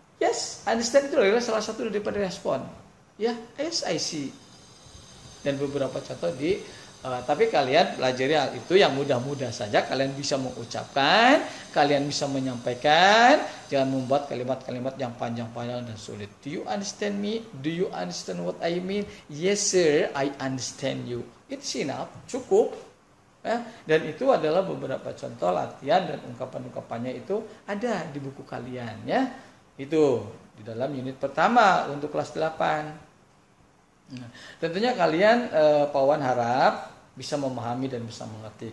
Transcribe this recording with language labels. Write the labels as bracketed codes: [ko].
[en] Yes, understand [id] itu adalah salah satu daripada respon. [en] Ya, yes, I see. [id] Dan beberapa contoh di tapi kalian pelajari hal itu yang mudah-mudah saja. Kalian bisa mengucapkan, kalian bisa menyampaikan. Jangan membuat kalimat-kalimat yang panjang-panjang dan sulit. [en] Do you understand me? Do you understand what I mean? Yes sir, I understand you. It's enough, [id] cukup ya. Dan itu adalah beberapa contoh latihan dan ungkapan-ungkapannya itu ada di buku kalian ya. Itu di dalam unit pertama untuk kelas 8. Tentunya kalian Pawan harap bisa memahami dan bisa mengerti.